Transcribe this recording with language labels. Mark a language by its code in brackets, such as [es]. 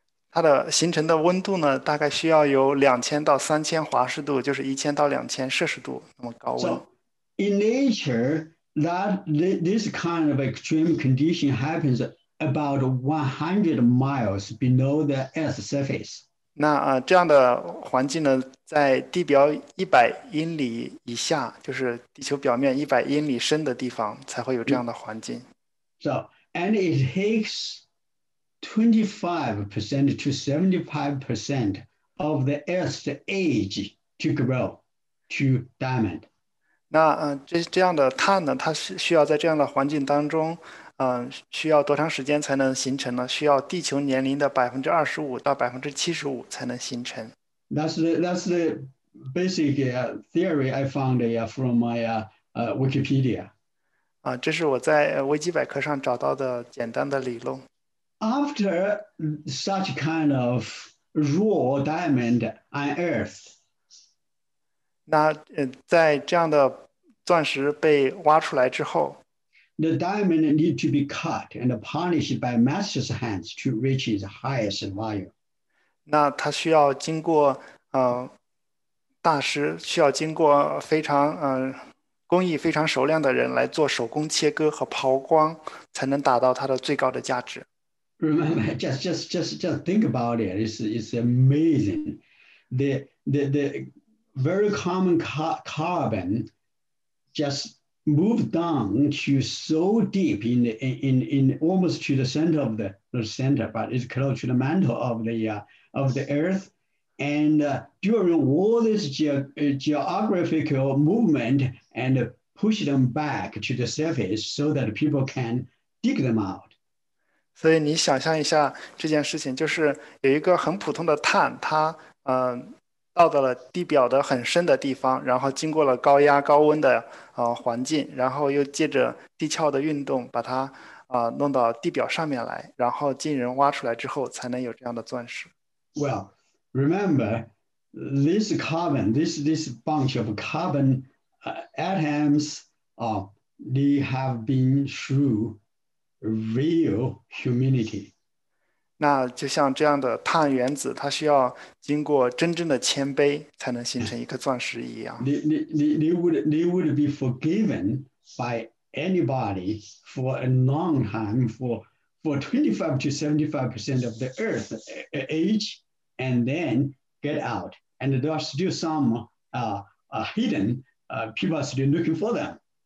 [zh] 它的形成的温度呢，大概需要有2000到3000华氏度，就是1000到2000摄氏度那么高温。 [en] So in nature, this kind of extreme condition happens about 100 miles below the Earth's surface. [zh] 这样的环境呢，在地表100英里以下，就是地球表面100英里深的地方，才会有这样的环境。 [en] So, and it takes 25% to 75% of the Earth's age to grow to diamond. [zh] 这样的碳呢，它是需要在这样的环境当中，需要多长时间才能形成呢？需要地球年龄的25%到75%才能形成。 [en] That's the basic theory I found from my Wikipedia. [zh] 这是我在维基百科上找到的简单的理论。 [en] After such kind of raw diamond unearthed, [zh] 在这样的钻石被挖出来之后。 [en] the diamond need to be cut and polished by master's hands to reach its highest value. [zh] 那它需要经过大师需要经过非常工艺非常熟练的人来做手工切割和抛光，才能达到它的最高的价值。 [en] Remember, just think about it. It's amazing. The very common carbon just moved down to so deep in almost to the center of the center, but it's close to the mantle of the Earth. And during all this geographical movement and push them back to the surface so that people can dig them out. [zh] 所以你想象一下这件事情，就是有一个很普通的碳，它到达了地表的很深的地方，然后经过了高压高温的环境，然后又借着地壳的运动把它弄到地表上面来，然后经人挖出来之后才能有这样的钻石。 [en] Well, remember this carbon, this bunch of carbon atoms, they have been through real humility. [zh] 那就像这样的碳原子，它需要经过真正的谦卑，才能形成一颗钻石一样。 [en] They would be forgiven by anybody for a long time for 25 to 75% of the Earth age. And then get out. And there are still some hidden people are still looking for them.